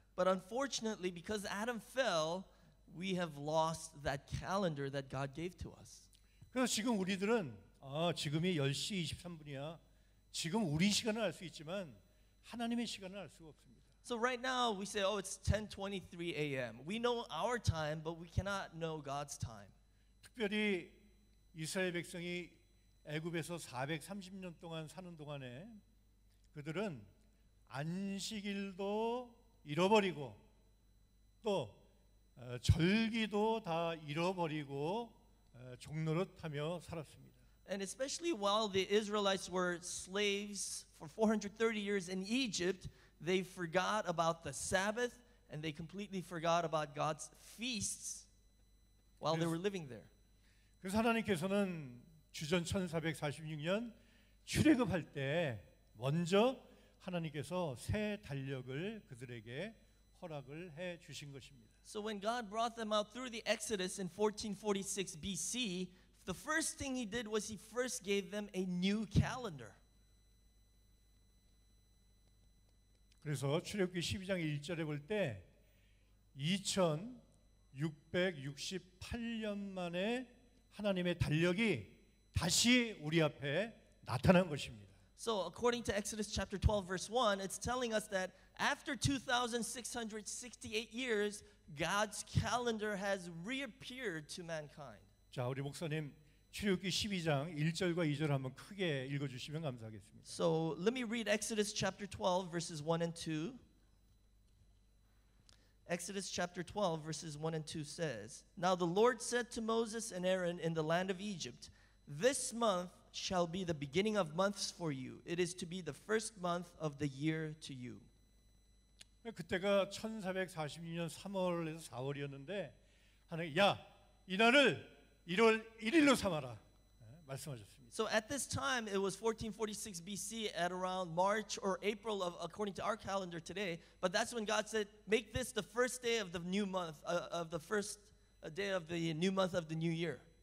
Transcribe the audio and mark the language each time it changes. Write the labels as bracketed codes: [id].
[en] But unfortunately, because Adam fell, we have lost that calendar that God gave to us. [ko] 그래서 지금 우리들은 지금이 10시 23분이야. 지금 우리 시간을 알 수 있지만 하나님의 시간을 알 수가 없습니다. [en] So right now we say, oh, it's 10:23 a.m. We know our time, but we cannot know God's time. [ko] 특별히 이스라엘 백성이 애굽에서 430년 동안 사는 동안에 그들은 안식일도 잃어버리고 또 절기도 다 잃어버리고 종노릇하며 살았습니다. [en] And especially while the Israelites were slaves for 430 years in Egypt, they forgot about the Sabbath and they completely forgot about God's feasts while they were living there. [ko] 그래서 하나님께서는 주전 1446년 출애굽할 때 먼저 하나님께서 새 달력을 그들에게 허락을 해 주신 것입니다. [en] So when God brought them out through the Exodus in 1446 BC, the first thing He did was He first gave them a new calendar. [ko] 그래서 출애굽기 12장 1절에 볼 때 2668년 만에 하나님의 달력이 다시 우리 앞에 나타난 것입니다. [en] So according to Exodus chapter 12 verse 1, it's telling us that after 2668 years, God's calendar has reappeared to mankind. [ko] 자, 우리 목사님 출애굽기 12장 1절과 2절 한번 크게 읽어 주시면 감사하겠습니다. [en] So, let me read Exodus chapter 12 verses 1 and 2. Exodus chapter 12 verses 1 and 2 says, "Now the Lord said to Moses and Aaron in the land of Egypt, 'This month shall be the beginning of months for you. It is to be the first month of the year to you.'" [ko] 그때가 1446년 3월에서 4월이었는데 하나님, 야, 이 날을 1월 1일로 삼아라 말씀하셨습니다. [en] So at this time, it was 1446 BC at around March or April, of, according to our calendar today. But that's when God said, make this the first day of the new month, of the first day of the new month of the new year.